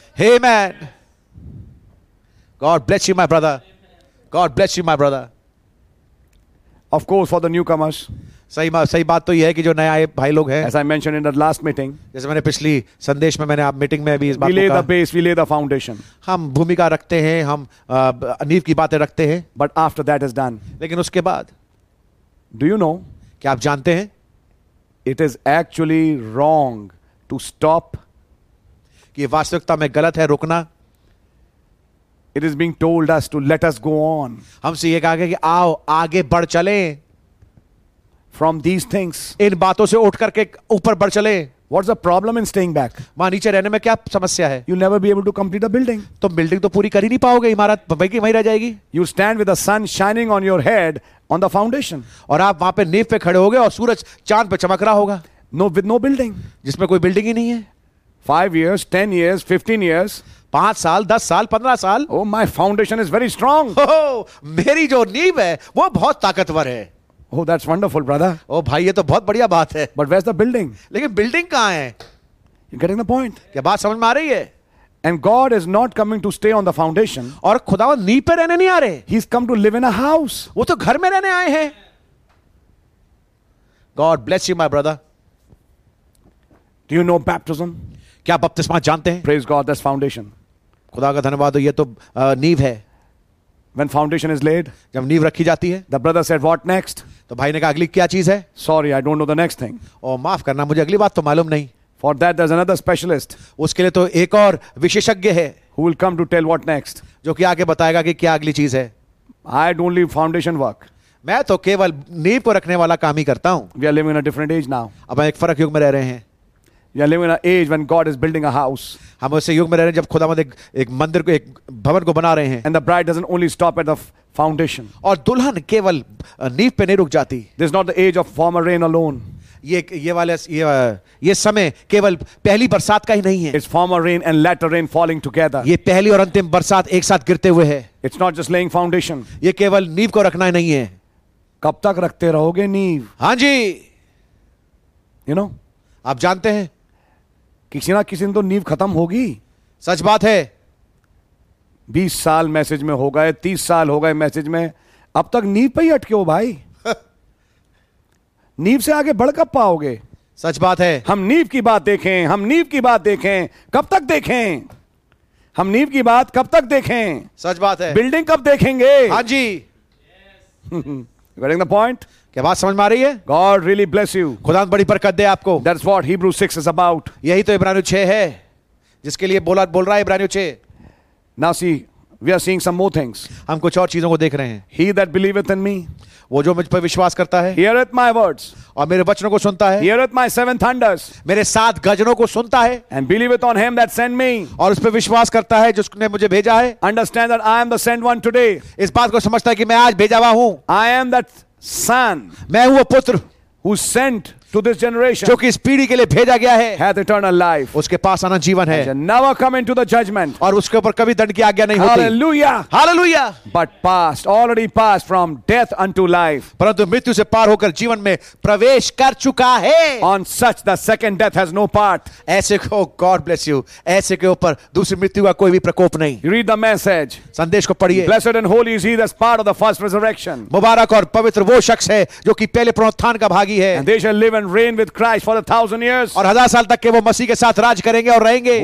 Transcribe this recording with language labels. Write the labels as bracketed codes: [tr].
[en] Amen. God bless you, my brother. God bless you, my brother. Of course, for the newcomers. [hi] सही बात तो यह है कि जो नए आए भाई लोग हैं. [en] As I mentioned in the last meeting, [hi] जैसे मैंने पिछली संदेश में मैंने आप मीटिंग में भी इस बात को कहा. [en] We lay the base, we lay the foundation. [hi] हम भूमिका रखते हैं, हम नींव की बातें रखते हैं. [en] But after that is done, [hi] लेकिन उसके बाद, [en] do you know, [hi] क्या आप जानते हैं, [en] it is actually wrong to stop, [hi] कि वास्तविकता में गलत है रुकना. [en] It is being told us to let us go on. [hi] हमसे ये कहा गया कि आओ आगे बढ़ चलें. [en] From these things, [hi] इन बातों से उठ करके ऊपर बढ़ चले. [en] What's the problem in staying back? [hi] वहां नीचे रहने में क्या समस्या है? [en] You'll never be able to complete the building. [hi] तो बिल्डिंग तो पूरी कर ही नहीं पाओगे. इमारत वहीं की वहीं रह जाएगी. [en] You stand with the sun shining on your head on the foundation. [hi] और आप वहां पे नींव पे खड़े होगे और सूरज चांद पे चमक रहा होगा. [en] No, with no building. [hi] जिसमें कोई बिल्डिंग ही नहीं है. [en] 5 years, 10 years, 15 years. [hi] 5 साल, 10 साल, 15 साल. [en] Oh, my foundation is very strong. [hi] Oh, मेरी जो नींव है वो बहुत ताकतवर है. [en] Oh, that's wonderful, brother. [hi] Oh, भाई ये तो बहुत बढ़िया बात है. [en] But where's the building? [hi] लेकिन building कहाँ है? [en] You're getting the point. [hi] क्या बात समझ में आ रही है? [en] And God is not coming to stay on the foundation. [hi] और खुदा नींव पे रहने नहीं आ रहे. [en] He's come to live in a house. [hi] वो तो घर में रहने आए हैं. [en] God bless you, my brother. Do you know baptism? [hi] क्या बपतिस्मा जानते हैं? [en] Praise God, that's foundation. [hi] खुदा का धन्यवाद हो ये तो नींव है. [en] When foundation is laid, [hi] जब नींव रखी जाती है, [en] the brother said, "What next?" [hi] तो भाई ने कहा अगली क्या चीज है? [en] Sorry, I don't know the next thing. [hi] ओ माफ करना मुझे अगली बात तो मालूम नहीं. [en] For that there's another specialist. [hi] उसके लिए तो एक और विशेषज्ञ है. [en] Who will come to tell what next? [hi] जो कि आगे बताएगा कि क्या अगली चीज है. [en] I don't leave foundation work. [hi] मैं तो केवल नींव को रखने वाला काम ही करता हूँ. [en] We are living in a different age now. [hi] अब हम एक फर्क युग में रह रहे हैं. [en] We are living in an age when God is building a house. [hi] हम उसे युग में रह रहे हैं जब खुदा मंदिर एक मंदिर को एक भवन को बना रहे हैं. [en] And the bride doesn't only stop at the foundation. [hi] और दुल्हन केवल नींव पे नहीं रुक जाती. [en] This is not the age of former rain alone. [hi] ये समय केवल पहली बरसात का ही नहीं है. [en] It's former rain and latter rain falling together. [hi] ये पहली और अंतिम बरसात एक साथ गिरते हुए है. [en] It's not just laying foundation. [hi] ये केवल नींव को रखना ही नहीं है. कब तक रखते रहोगे नींव? हाँ जी. [en] You know? [hi] आप जानते हैं किसी ना किसी तो नींव खत्म होगी. सच बात है. 20 साल मैसेज में हो गए, 30 साल हो गए मैसेज में, अब तक नींव पे ही अटके हो भाई. नींव से आगे बढ़ कब पाओगे? सच बात है. हम नींव की बात देखें, हम नींव की बात देखें, कब तक देखें? हम नींव की बात कब तक देखें? सच बात है. बिल्डिंग कब देखेंगे? हाँ जी. [en] Getting the point? [hi] क्या बात समझ में आ रही है? [en] God really bless you. [hi] खुदा बड़ी बरकत दे आपको. [en] That's what Hebrews 6 is about. [hi] यही तो इब्रानियों 6 है. जिसके लिए बोला बोल रहा है इब्रानियों 6. [en] Now see, we are seeing some more things. [hi] हम कुछ और चीजों को देख रहे हैं. [en] He that believeth in me. [hi] वो जो मुझ पर विश्वास करता है. [en] Heareth my words. [hi] और मेरे वचनों को सुनता है. [en] Heareth my seven thunders. [hi] मेरे सात गजनों को सुनता है. [en] And believeth on him that sent me. [hi] और उस पर विश्वास करता है जिसने मुझे भेजा है. [en] Understand that I am the sent one today. [hi] इस बात को समझता है कि मैं आज भेजा हुआ हूं. [en] I am that son. [hi] मैं हूं वो पुत्र. [en] Who sent to this generation? [hi] जो कि इस पीढ़ी के लिए भेजा गया है. [en] Hath eternal life. [hi] उसके पास अनंत जीवन है. [en] Never come into the judgment. [hi] और उसके ऊपर कभी दंड की आज्ञा नहीं होती. Hallelujah. Hallelujah. [en] But passed, already passed from death unto life. [hi] परंतु मृत्यु से पार होकर जीवन में प्रवेश कर चुका है. [en] On such the second death has no part. [hi] ऐसे को [en] God bless you. [hi] ऐसे के ऊपर दूसरी मृत्यु का कोई भी प्रकोप नहीं. [en] Read the message. [hi] संदेश को पढ़िए. [en] Blessed and holy is he that's part of the first resurrection. [hi] मुबारक और पवित्र वो शख्स है जो कि पहले पुनरुत्थान का भागी है. [en] And they shall live and reign with Christ for 1,000 years. [hi] और 1,000 साल तक के वो मसीह के साथ राज करेंगे और रहेंगे.